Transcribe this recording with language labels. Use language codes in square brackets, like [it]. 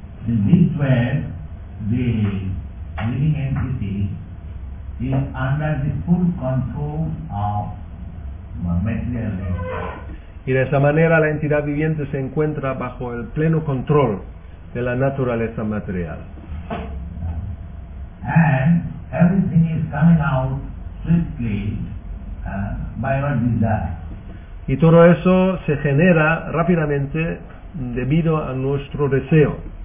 [en] In this way, the living entity is under the full control of material. [es] Y de esa manera la entidad viviente se encuentra bajo el pleno control de la naturaleza material. [en] And everything is coming out swiftly, by our desire. [es] Y todo eso se genera rápidamente debido a nuestro deseo.